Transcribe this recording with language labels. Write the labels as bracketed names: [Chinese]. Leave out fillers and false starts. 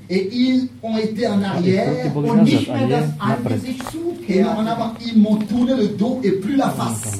[French] Et ils ont été en arrière, [German] und nicht mehr das Angesicht zukehren. [French] Et en avant, ils m'ont tourné le dos et plus la face.